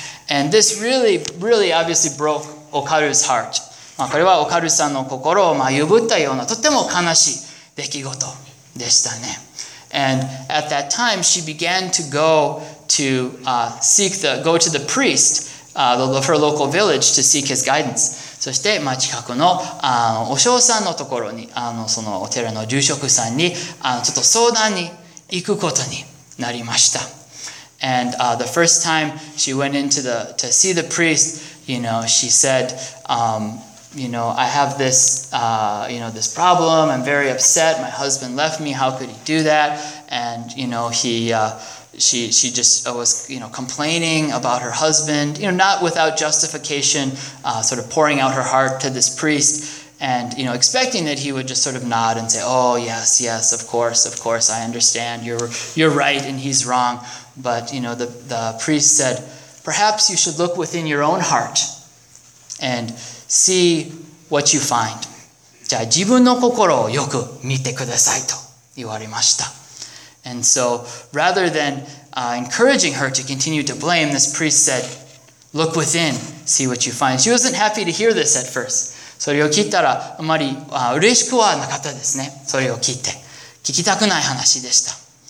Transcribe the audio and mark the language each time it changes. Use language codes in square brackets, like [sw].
[en] And this really, really obviously broke Okaru's heart. [ja] まあ、これはオカルさんの心をまあ、揺ぶったようなとても悲しい出来事でしたね。 [en] And at that time, she began to go to the priest, her local village to seek his guidance. [ja] そして、まあ、近くの、お嬢さんのところに、そのお寺の住職さんに、ちょっと相談に行くことになりました。 [en] And, the first time she went into to see the priest, you know, she said, you know, I have this, you know, this problem. I'm very upset. My husband left me. How could he do that? And, you know, She just was, you know, complaining about her husband, you know, not without justification, sort of pouring out her heart to this priest and, you know, expecting that he would just sort of nod and say, oh, yes, yes, of course, I understand, you're right and he's wrong. But, you know, the priest said, perhaps you should look within your own heart and see what you find. [ja] じゃあ自分の心をよく見てくださいと言われました。 [en] And so, rather than encouraging her to continue to blame, this priest said, look within, see what you find. She wasn't happy to hear this at first. [ja] それを聞いたらあまり嬉しくはなかったですね。それを聞いて。聞きたくない話でした。